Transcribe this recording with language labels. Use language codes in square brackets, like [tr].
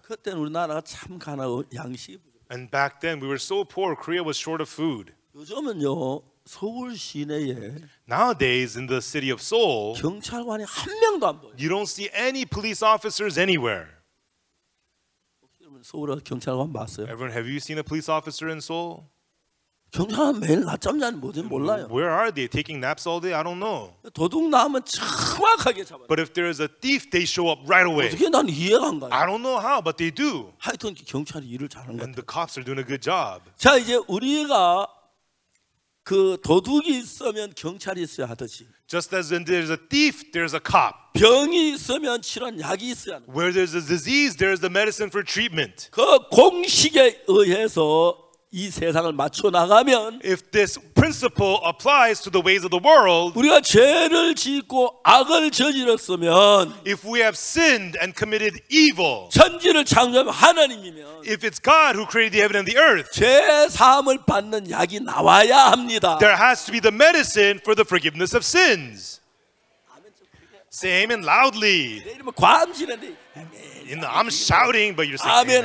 [ko] 그때는 우리나라가 참 가난하고 양식 [en] And back then we were so poor, Korea was short of food [ko] 요즘은요 서울 시내에 [en] Nowadays in the city of Seoul [ko] 경찰관이 한 명도 안 보여 [en] You don't see any police officers anywhere [ko] 서울에 경찰관 봤어요 [en] Everyone, have you seen a police officer in Seoul? [ko] 경찰은 매일 낮잠 자는 뭐든 몰라요. [en] Where are they? Taking naps all day? I don't know. [ko] 도둑 나오면 정확하게 잡아요. [en] But if there is a thief, they show up right away. [ko] 어떻게 난 이해가 안 가요? [en] I don't know how, but they do. [ko] 하여튼 경찰이 일을 잘하는 것 [en] And the cops are doing a good job. [ko] 자, 이제 우리가 그 도둑이 있으면 경찰이 있어야 하듯이 [en] Just as when there's a thief, there's a cop. [ko] 병이 있으면 치료한 약이 있어야 하는 [en] Where there's a disease, there's the medicine for treatment. [ko] 그 공식에 의해서 이 세상을 맞춰 나가면 [en] if this principle applies to the ways of the world [ko] 우리가 죄를 짓고 악을 저질렀으면 [en] if we have sinned and committed evil [ko] 천지를 창조한 하나님이면 [en] if it's God who created the heaven and the earth [ko] 죄 사함을 받는 약이 나와야 합니다. [en] There has to be the medicine for the forgiveness of sins. Say amen loudly. You know, I'm shouting, but you're saying amen.